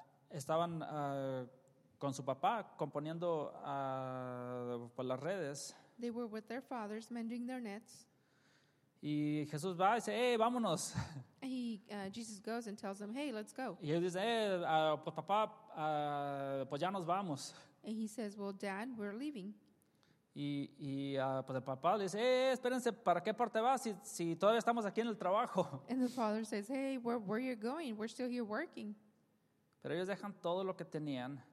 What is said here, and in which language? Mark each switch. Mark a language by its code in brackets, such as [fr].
[es] Estaban con su papá componiendo por las redes. [en] They were with their fathers mending their nets. [es] Y Jesús va y dice, hey, vámonos. [en] Jesus goes and tells them, hey, let's go. [es] Y él dice, hey, pues papá, pues ya nos vamos. [en] And he says, well, dad, we're leaving. [es] Y pues el papá le dice, hey, espérense, ¿para qué parte vas si todavía estamos aquí en el trabajo? [en] And the father says, hey, where are you going? We're still here working. [es] Pero ellos dejan todo lo que tenían.